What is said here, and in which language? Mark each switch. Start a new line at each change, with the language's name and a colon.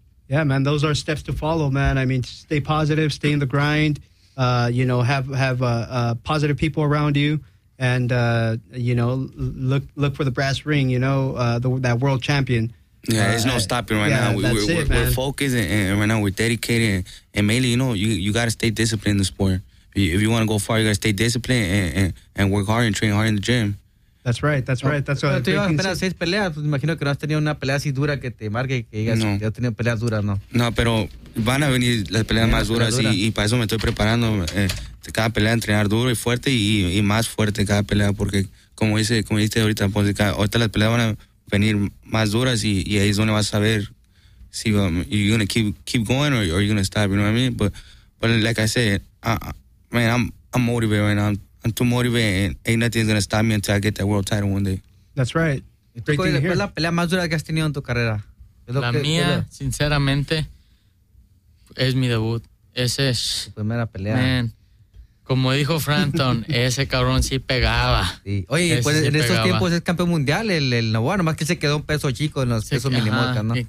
English: Yeah, man, those are steps to follow, man. I mean, stay positive, stay in the grind, you know, have positive people around you and, you know, look for the brass ring, you know, that world champion. Yeah, there's no stopping right now. We're focused and right now we're dedicated. And mainly, you know, you got to stay disciplined in the sport. If you want to go far, you got to stay disciplined and work hard and train hard in the gym. That's right. That's what I'm saying.
Spanish: Pero 6 peleas. Pues imagino que no has tenido una pelea así dura que te marque y que digas que has tenido peleas duras, ¿no? No, pero van a venir las peleas más duras y para eso me estoy preparando. Cada pelea, entrenar duro y fuerte y más fuerte cada pelea. Porque como dice ahorita, pues, ahorita las peleas van a venir más duras y ahí es donde vas a ver si
English: you're gonna keep going or you're gonna stop, you know what I mean? But like I said, I'm motivated right now. I'm too motivated and ain't nothing gonna stop me until I get that world title one day. That's right.
Spanish: ¿Cuál es la pelea más dura que has tenido en tu carrera? Sinceramente, es mi debut. Ese es tu primera pelea. Man, Como dijo Frampton, ese cabrón sí pegaba. Sí. Oye, pues sí en pegaba. Estos tiempos es campeón mundial el Noboa, nomás que se quedó un peso chico en los sí, pesos minimosca, ¿no?